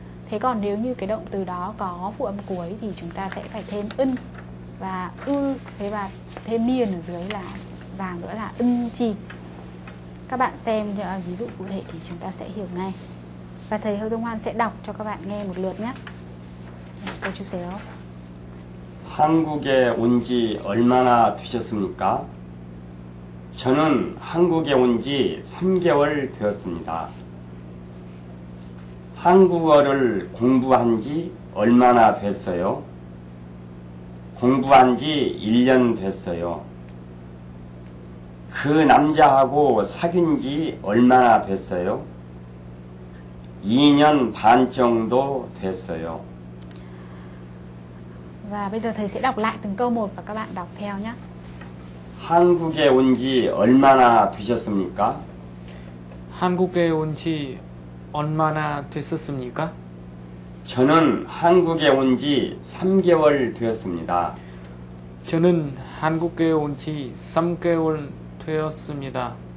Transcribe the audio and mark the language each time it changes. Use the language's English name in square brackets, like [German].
[Vietnamese] Thế còn nếu như cái động từ đó có phụ âm cuối thì chúng ta sẽ phải thêm ưn và ư, thế và thêm niền ở dưới là vàng nữa là ưn chi. Các bạn xem ví dụ cụ thể thì chúng ta sẽ hiểu ngay. Và thầy Hơ Tông Hoan sẽ đọc cho các bạn nghe một lượt nhé. Câu chú xéo. [Korean] 한국에 온 지 얼마나 되셨습니까? 저는 한국에 온 지 3개월 되었습니다. 한국어를 공부한 지 얼마나 됐어요? 공부한 지 1년 됐어요. 그 남자하고 사귄 지 얼마나 됐어요? 2년 반 정도 됐어요. [Vietnamese] Và bây giờ thầy sẽ đọc lại từng câu một và các bạn đọc theo nhé. [Korean] 한국에 온 지 얼마나 되셨습니까? 한국에 온 지 얼마나 됐었습니까? 저는 한국에 온 지 3개월 되었습니다. 저는 한국에 온 지 3개월 되었습니다.